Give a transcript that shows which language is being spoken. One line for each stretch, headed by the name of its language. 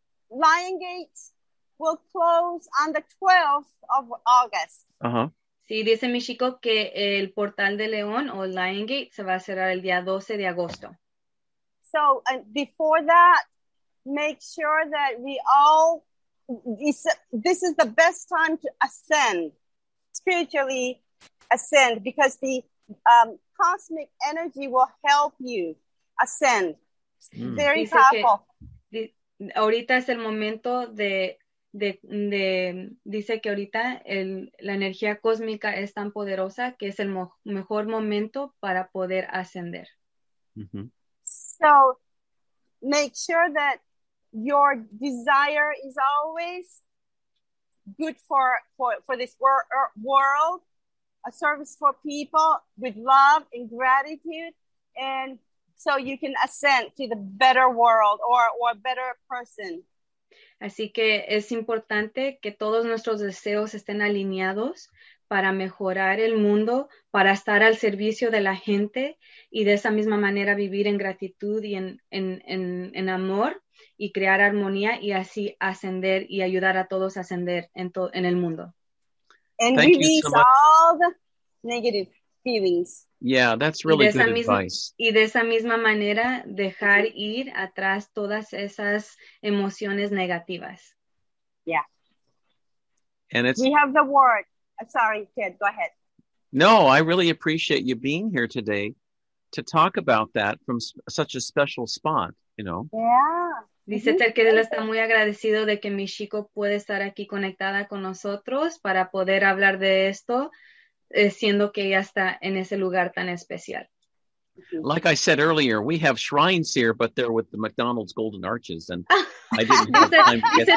English: Lionsgate will close on the 12th of August. Uh-huh.
Spanish: Sí, dice mi chico que el Portal de León o Lionsgate se va a cerrar el día 12 de agosto.
English: So, before that, make sure that we all, this is the best time to ascend, spiritually ascend, because the cosmic energy will help you ascend. Mm. Very
Spanish: dice
English: powerful.
Spanish: Ahorita es el momento de dice que ahorita la energía cósmica es tan poderosa que es el mejor momento para poder ascender. Mm-hmm.
English: So make sure that your desire is always good for this world, a service for people with love and gratitude, and so you can ascend to the better world or a better person.
Spanish: Así que es importante que todos nuestros deseos estén alineados para mejorar el mundo, para estar al servicio de la gente y de esa misma manera vivir en gratitud y en amor y crear armonía y así ascender y ayudar a todos a ascender en el mundo.
English: And thank release you so much. All the negative feelings. Yeah, that's really good advice.
Spanish: Y de esa misma manera dejar ir atrás todas esas emociones negativas.
English: Yeah. And it's, we have the word. Sorry, Ted, go ahead. No, I really appreciate you being here today to talk about that from such a special spot, you know. Yeah.
Spanish: Dice Ted que él está muy agradecido de que mi chico puede estar aquí conectada con nosotros para poder hablar de esto, siendo que ella está en ese lugar tan especial.
English: Like I said earlier, we have shrines here, but they're with the McDonald's Golden Arches, and I didn't have the time to get there.